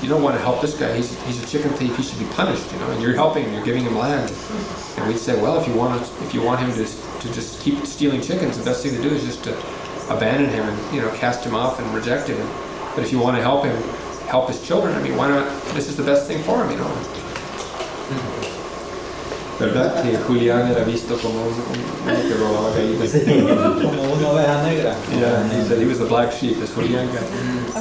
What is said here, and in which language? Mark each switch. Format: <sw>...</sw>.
<en>You don't want to help this guy. He's a chicken thief. He should be punished, you know. And you're helping him. You're giving him land. And we'd say, well, if you want him to just keep stealing chickens, the best thing to do is just to abandon him and, you know, cast him off and reject him. But if you want to help him, help his children, I mean, why not? This is the best thing for him, you know. Mm-hmm.</en> <es>¿Verdad que Julián era visto como un que robaba gallinas? Como una oveja negra.</es> <en>Yeah, he said he was the black sheep, this Julián guy.</en>